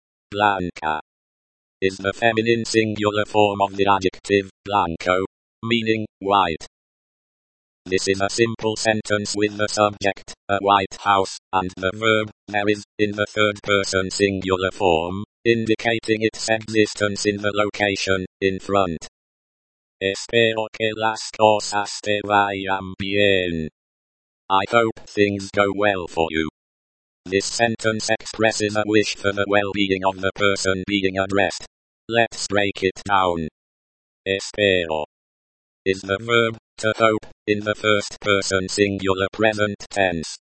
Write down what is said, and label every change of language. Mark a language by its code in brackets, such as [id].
[en] Blanca is the feminine singular form of the adjective blanco, meaning white. This is a simple sentence with the subject, a white house, and the verb, there is, in the third person singular form, indicating its existence in the location, in front. [es] Espero que las cosas te vayan bien. [en] I hope things go well for you. This sentence expresses a wish for the well-being of the person being addressed. Let's break it down. Espero is the verb, to hope, in the first person singular present tense.